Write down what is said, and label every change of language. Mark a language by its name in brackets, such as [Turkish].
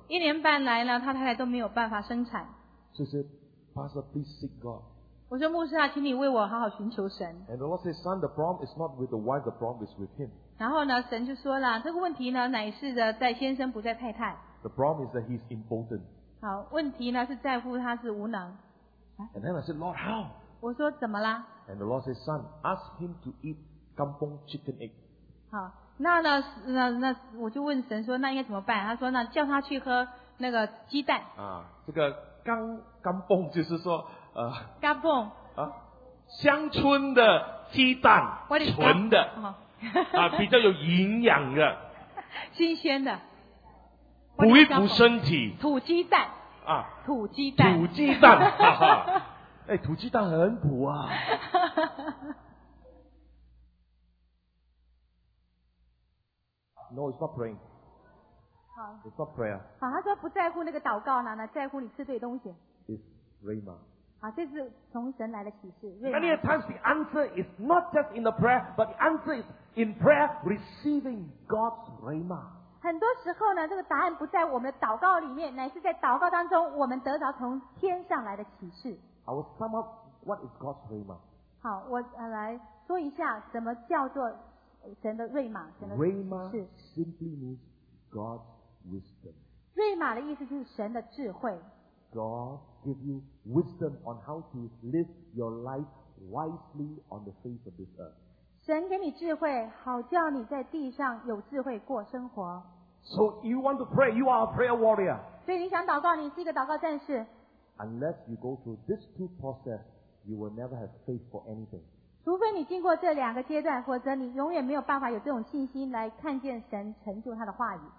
[Chinese] 一年半来呢，他太太都没有办法生产。 [English] So he said, Pastor, please seek God. [Chinese] 我说牧师啊，请你为我好好寻求神。 [English] And the Lord says, Son, the problem is not with the wife, the problem is with him. [Chinese] 然后呢，神就说了，这个问题呢，乃是的在先生不在太太。 [English] The problem is that he's impotent. [Chinese] 好，问题呢是在乎他是无能。 [English] And then I said, Lord, how? [Chinese] 我说怎么啦 [English] ？And the Lord says, Son, ask him to eat kampung chicken egg. [Chinese] 好，那呢，那我就问神说，那应该怎么办？他说呢，叫他去喝那个鸡蛋。啊，这个kampung就是说 [Malay] kampung [Chinese] 啊，乡村的鸡蛋，纯的。啊，比较有营养的，新鲜的，补一补身体。土鸡蛋啊，土鸡蛋，土鸡蛋，哈哈，哎，土鸡蛋很补啊。 [English] No, it's not praying. [Chinese] 好 [English] ，It's not prayer. [Chinese] 好，他说不在乎那个祷告呢，那在乎你吃对东西。 [English] It's rhema. [Chinese] 好，这是从神来的启示。 [English] Many times the answer is not just in the prayer, but the answer is in prayer receiving God's rhema. [Chinese] 很多时候呢，这个答案不在我们的祷告里面，乃是在祷告当中，我们得到从天上来的启示。 [English] I will sum up what is God's rhema. [Chinese] 好，我来说一下什么叫做神的瑞玛，神的启示。 [English] Rhema simply means God's wisdom. [Chinese] 瑞玛的意思就是神的智慧。 [English] God give you wisdom on how to live your life wisely on the face of this earth. [Chinese] 神给你智慧，好叫你在地上有智慧过生活。 [English] So you want to pray, you are a prayer warrior. [Chinese] 所以你想祷告，你是一个祷告战士。 [English] Unless you go through these two processes, you will never have faith for anything. [Chinese] 除非你经过这两个阶段，否则你永远没有办法有这种信心来看见神成就他的话语。